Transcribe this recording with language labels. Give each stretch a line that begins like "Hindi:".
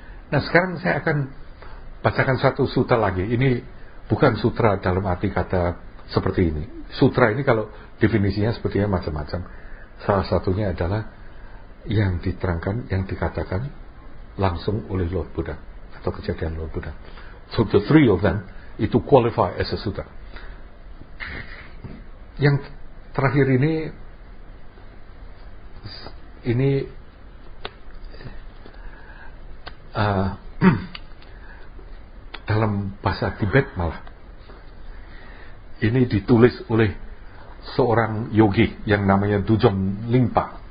Indonesian: Nah sekarang saya akan bacakan satu sutra lagi. Ini bukan sutra dalam arti kata seperti ini. Sutra ini kalau definisinya sepertinya macam-macam. Salah satunya adalah yang diterangkan, yang dikatakan langsung oleh Lord Buddha atau kejadian Lord Buddha.
English: So the three of them
Indonesian: itu
English: qualify as a sutra.
Indonesian: Yang terakhir ini dalam bahasa Tibet malah ini ditulis oleh seorang yogi yang namanya Dujom Lingpa.